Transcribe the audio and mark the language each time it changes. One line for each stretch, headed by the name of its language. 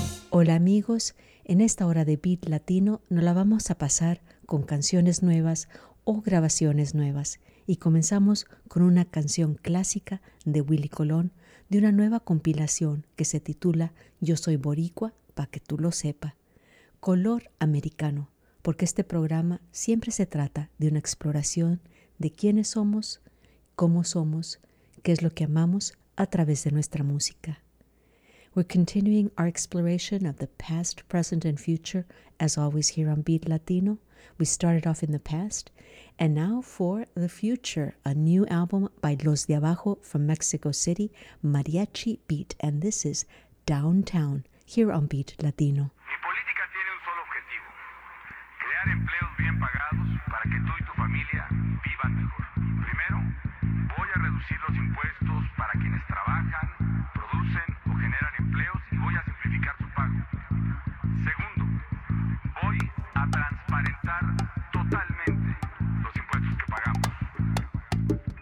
Spanish: Hola amigos, en esta hora de Beat Latino nos la vamos a pasar con canciones nuevas o grabaciones nuevas y comenzamos con una canción clásica de Willy Colón de una nueva compilación que se titula Yo Soy Boricua, Pa' Que Tú Lo Sepa. Color Americano, porque este programa siempre se trata de una exploración de quiénes somos, cómo somos, qué es lo que amamos a través de nuestra música.
English: We're continuing our exploration of the past, present, and future, as always here on Beat Latino. We started off in the past, and now for the future, a new album by Los de Abajo from Mexico City, Mariachi Beat, and this is Downtown, here on Beat Latino.
Spanish: Mi política tiene un solo objetivo, crear empleos bien pagados para que tú y tu familia vivan mejor. Primero, voy a reducir los impuestos para quienes trabajan, producen o generan empleos y voy a simplificar su pago. Segundo, voy a transparentar totalmente los impuestos que pagamos.